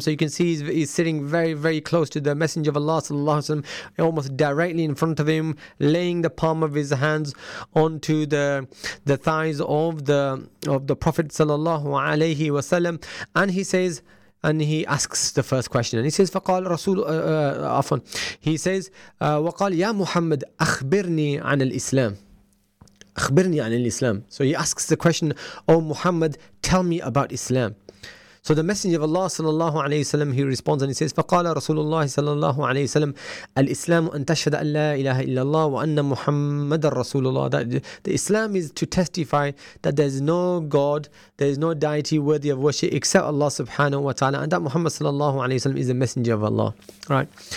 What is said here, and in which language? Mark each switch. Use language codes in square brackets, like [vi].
[en] So you can see he's sitting very, very close to the Messenger of Allah sallallahu alaihi wasallam, almost directly in front of him, laying the palm of his hands onto the thighs of the Prophet sallallahu alaihi wasallam, and he says. And he asks the first question. And he says, [ar] فَقَالْ رَسُولُ أَفْوَنْ. [en] He says, [ar] وَقَالْ يَا مُحَمَّدْ أَخْبِرْنِي عَنَ الْإِسْلَامِ. أَخْبِرْنِي عَنَ الْإِسْلَامِ. [en] So he asks the question, oh Muhammad, tell me about Islam. So the Messenger of Allah sallallahu alayhi wa sallam, he responds and he says, [ar] فَقَالَ رَسُولُ اللَّهِ sallallahu alayhi wa sallam, الْإِسْلَامُ أَنْ تَشْهَدَ أَنْ لَا إِلَهَ إِلَّا اللَّهُ وَأَنَّ مُحَمَّدَ رَسُولُ اللَّهِ. [en] That the Islam is to testify that there is no God, there is no deity worthy of worship except Allah subhanahu wa ta'ala, and that Muhammad sallallahu alayhi wa sallam is the Messenger of Allah. Right.